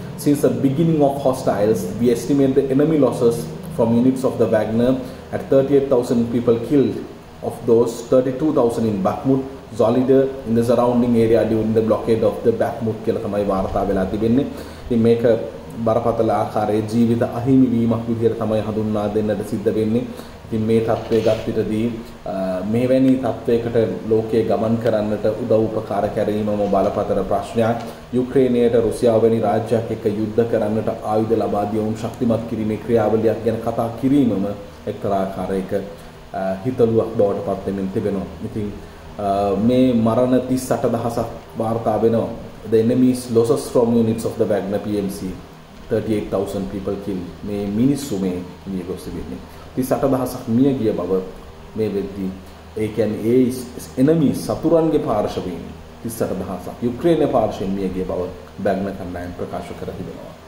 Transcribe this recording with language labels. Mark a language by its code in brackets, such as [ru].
[en] Since the beginning of hostiles, we estimate the enemy losses from units of the Wagner at 38,000 people killed. Of those, 32,000 in Bakhmut, Zolider in the surrounding area during the blockade of the Bakhmut. [si] කියලා තමයි වාර්තා වෙලා තිබෙන්නේ. ඉතින් මේක බරපතල ආකාරයේ ජීවිත අහිමි වීමක් විදිහට තමයි හඳුන්වා දෙන්නට සිද්ධ වෙන්නේ. ඉතින් මේ තත්ත්වයේ ගත්විතදී මෙවැනි තත්ත්වයකට ලෝකයේ ගමන් කරන්නට උදව් උපකාර කිරීමම බලපතල ප්‍රශ්නයක්. යුක්‍රේනයට රුසියාව වැනි රාජ්‍යයක් එක්ක යුද්ධ කරන්නට ආයුධ ලබා දීමුම් ශක්තිමත් කිරීමේ ක්‍රියාවලියක් ගැන කතා කිරීමම එක්තරා ආකාරයක හිතලුවක් බවට පත් වෙමින් තිබෙනවා. ඉතින් මේ මරණ 38,000ක් වාර්තා වෙනවා. [en] The enemy's losses from units of the Wagner PMC 38,000 people killed. [si] මේ මිනිස්සු මේ මිය ගොස් තිබෙන්නේ 38,000ක් මිය ගිය බව මේ වෙද්දී, ඒ කියන්නේ ඒ එනමි සතුරන්ගේ පාර්ශවයෙන් 38,000ක් යුක්‍රේනයේ පාර්ශවයෙන් මිය ගිය බව බැග්න කණ්ඩායම ප්‍රකාශ කර තිබෙනවා.